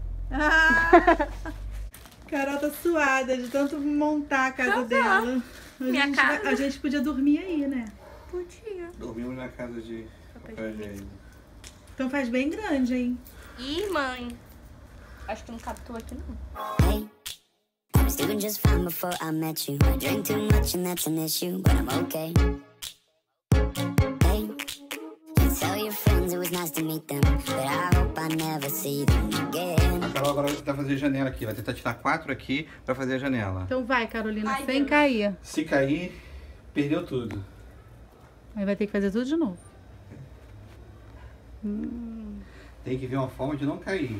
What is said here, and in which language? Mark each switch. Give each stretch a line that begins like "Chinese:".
Portuguese: Ah! Carol tá suada de tanto montar a casa dela. A gente podia dormir aí, né? Podia. Dormimos na casa de papel higiênico. Então faz bem grande, hein? Ih, mãe. Acho que não cabe tu aqui, não.
English: Hey, I was just fine before I met you. I drink too much and that's an issue, but I'm okay. Hey, tell your friends it was nice to meet them, but I hope I never see them again.
Portuguese: Carol, agora vai tentar fazer a janela aqui. Vai tentar tirar quatro aqui pra fazer a janela. Então vai, Carolina, ai, sem Deus. Cair. Se cair, perdeu tudo. Aí vai ter que fazer tudo de novo. Tem que ver uma forma de não cair.